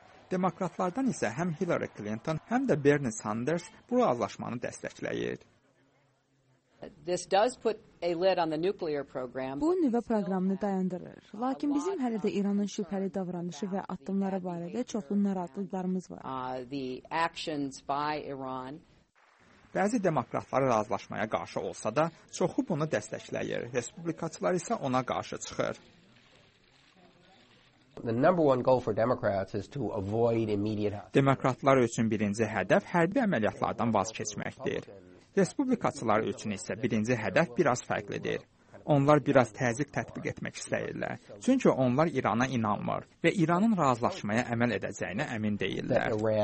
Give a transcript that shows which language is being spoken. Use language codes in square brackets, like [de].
[az] Demokratlardan isə həm Hillary Clinton, həm də Bernie Sanders bu razılaşmanı dəstəkləyir. [en] This does put a lid on the nuclear program. [az] Bu nüvə proqramını dayandırır. Lakin bizim hələ də İranın şübhəli davranışı və addımları barədə çoxlu narahatlıqlarımız var. [en] The actions by Iran. [az] Bəzi demokratlar razılaşmaya qarşı olsa da, çoxu bunu dəstəkləyir. Respublikaçılar isə ona qarşı çıxır. [en] The number one goal for Democrats is to avoid immediate. [az] Demokratlar üçün birinci hədəf hərbi əməliyyatlardan vaz keçməkdir. Respublikaçılar üçün isə birinci hədəf biraz fərqlidir. Onlar biraz təzyiq tətbiq etmək istəyirlər. Çünki onlar İrana inanmır və İranın razılaşmaya əməl edəcəyinə əmin deyillər.